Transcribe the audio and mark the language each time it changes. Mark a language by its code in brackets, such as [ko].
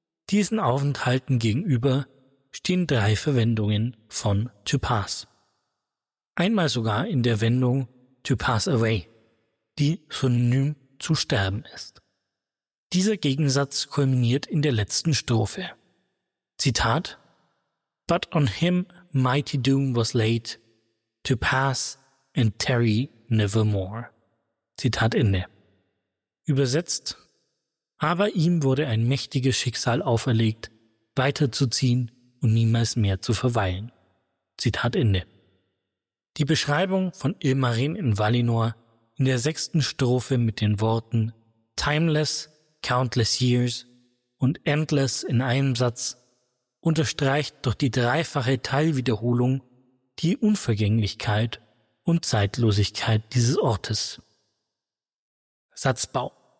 [de] Diesen Aufenthalten gegenüber stehen drei Verwendungen von to pass. Einmal sogar in der Wendung to pass away, die synonym zu sterben ist. Dieser Gegensatz kulminiert in der letzten Strophe. Zitat: [en] But on him mighty doom was laid, to pass and tarry nevermore. [de] Zitat Ende. Übersetzt: Aber ihm wurde ein mächtiges Schicksal auferlegt, weiterzuziehen und niemals mehr zu verweilen. Zitat Ende. Die Beschreibung von Ilmarin in Valinor in der sechsten Strophe mit den Worten timeless, countless years und endless in einem Satz unterstreicht durch die dreifache Teilwiederholung die Unvergänglichkeit und Zeitlosigkeit dieses Ortes. Satzbau.